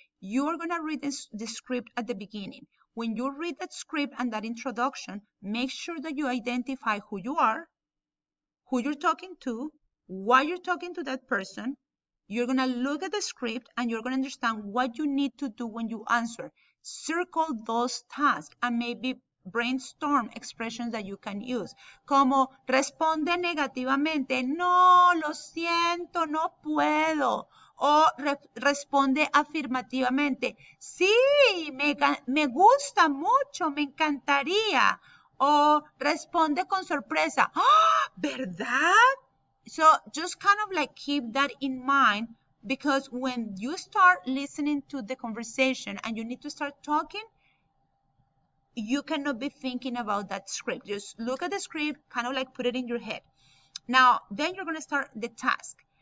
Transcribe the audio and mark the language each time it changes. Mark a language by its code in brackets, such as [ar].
[en] You're going to read the script at the beginning. When you read that script and that introduction, make sure that you identify who you are, who you're talking to, why you're talking to that person. You're going to look at the script and you're going to understand what you need to do when you answer. Circle those tasks and maybe brainstorm expressions that you can use. [es] Como responde negativamente, no, lo siento, no puedo. O responde afirmativamente, sí, me gusta mucho, me encantaría. O responde con sorpresa, ¡oh, verdad! [en] So just kind of like keep that in mind, because when you start listening to the conversation and you need to start talking, you cannot be thinking about that script. Just look at the script, kind of like put it in your head. Now, then you're going to start the task.